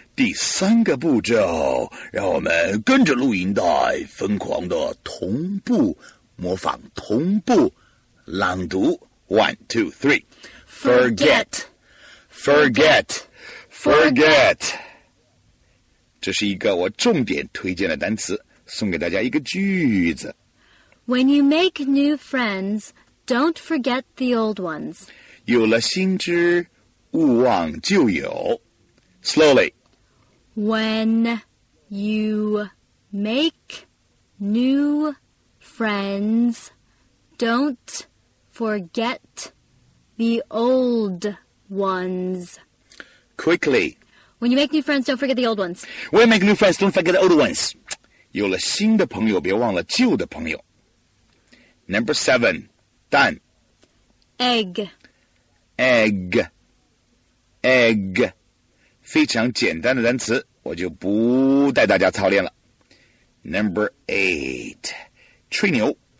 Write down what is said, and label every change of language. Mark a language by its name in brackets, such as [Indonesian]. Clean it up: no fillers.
[Chinese] 第三个步骤，让我们跟着录音带疯狂的同步模仿，同步朗读。 [English] One, two, three. Forget, forget, forget. [Chinese] 这是一个我重点推荐的单词，送给大家一个句子。 [English] When you make new friends, don't forget the old ones. [Chinese] 有了新知，勿忘旧友。 [English] Slowly. When you make new friends, don't forget the old ones. Quickly. When you make new friends, don't forget the old ones. When you make new friends, don't forget the old ones. [Chinese] 有了新的朋友，别忘了旧的朋友。 [English] Number seven, [Chinese] 蛋。 [English] Egg. Egg. Egg. [Chinese] 非常简单的单词。我就不带大家操练了。 [English] Number eight, [Chinese] 吹牛。